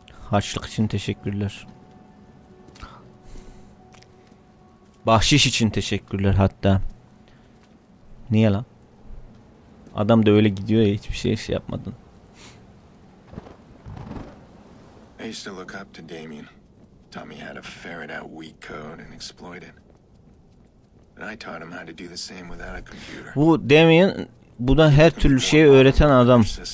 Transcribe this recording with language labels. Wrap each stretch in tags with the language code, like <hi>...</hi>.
<tr>Harçlık için teşekkürler. Bahşiş için teşekkürler hatta. Niye lan? Adam da öyle gidiyor ya, hiçbir şey yapmadın.</tr> <en>I used to look up to Damien. Tommy had a ferret out weak code and exploit it. And I taught him how to do the same without a computer.</en> <tr>Bu Damien, bu da her türlü şeyi öğreten adam.</tr>